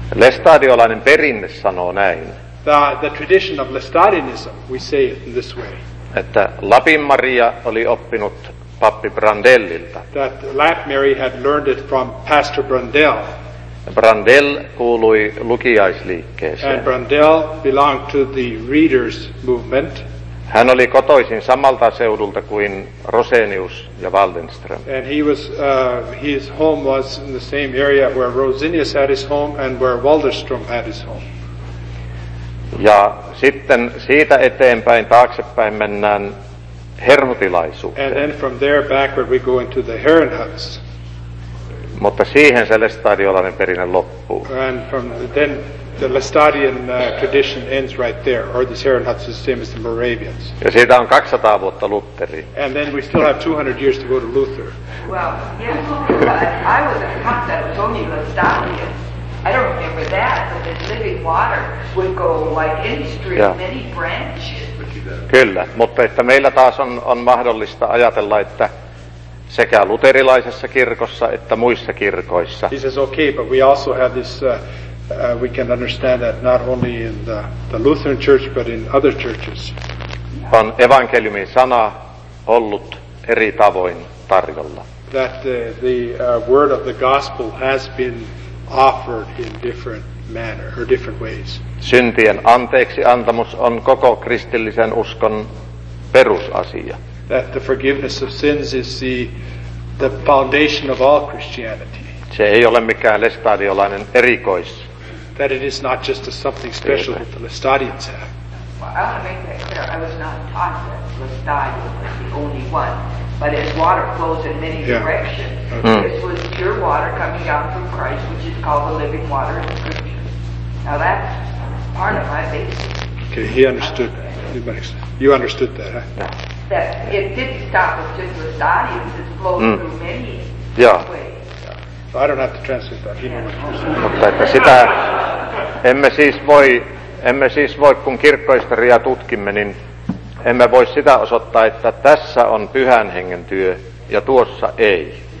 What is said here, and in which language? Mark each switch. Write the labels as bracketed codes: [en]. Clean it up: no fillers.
[fi] Lestadiolainen perinne sanoo näin. [en] The tradition of Lestadianism, we say it in this way. [fi] Että Lapin Maria oli oppinut pappi Brandellilta. [en] That Lap Mary had learned it from Pastor Brandel. [fi] Brandel kuului lukijaisliikkeeseen. [en] And Brandel belonged to the readers movement. [fi] Hän oli kotoisin samalta seudulta kuin Rosenius ja Waldenström. [en] And he was his home was in the same area where Rosenius had his home and where Waldenström had his home. [fi] Ja sitten siitä eteenpäin taaksepäin mennään [en] and then from there backward we go into the Herrenhuts. [fi] Mutta siihen se Lestadiolainen perinne loppuu. [en] And from then the Lestadian tradition ends right there, or the Herrenhuts is the same as the Moravians. [fi] Ja siitä on 200 vuotta Lutheriin. [en] And then we still have 200 years to go to Luther. Well, yes, I was a cop that was only Lestadian. I don't remember that, but the living water would go like industry, yeah, many branches. [fi] Kyllä, mutta että meillä taas on mahdollista ajatella, että sekä luterilaisessa kirkossa että muissa kirkoissa. [en] This is okay, but we also have this, we can understand that not only in the Lutheran church, but in other churches. [fi] On evankeliumin sana ollut eri tavoin tarjolla. [en] That the word of the gospel has been offered in different manner or different ways. [fi] Syntien anteeksi antamus on koko kristillisen uskon perusasia. [en] That the forgiveness of sins is the foundation of all Christianity. [fi] Se ei ole mikään lestadiolainen erikois. [en] That it is not just a something special that the Lestadians have. Well, I want to make that clear. I was not taught that Lestadio was the only one. But as water flows in many directions, this was pure water coming down from Christ, which is called the living water in the Scripture. Now that's part of my basis. Okay, he understood. You understood that, huh? Yeah. That it didn't stop with just the Lestadians, it flowed through many ways. Yeah. So I don't have to translate that. He knows what you're saying. [fi] Emme siis voi, kun kirkkohistoriaa tutkimme, niin emme voi sitä osoittaa, että tässä on Pyhän Hengen työ ja tuossa ei.